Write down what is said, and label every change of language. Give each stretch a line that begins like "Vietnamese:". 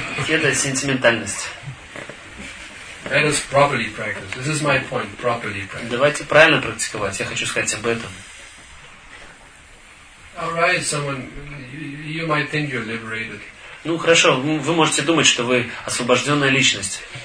Russian: Это сентиментальность. Давайте правильно практиковать. Я хочу сказать об этом.
English: All right, someone, you might think you're liberated.
Russian: Ну хорошо, вы можете думать, что вы освобожденная личность.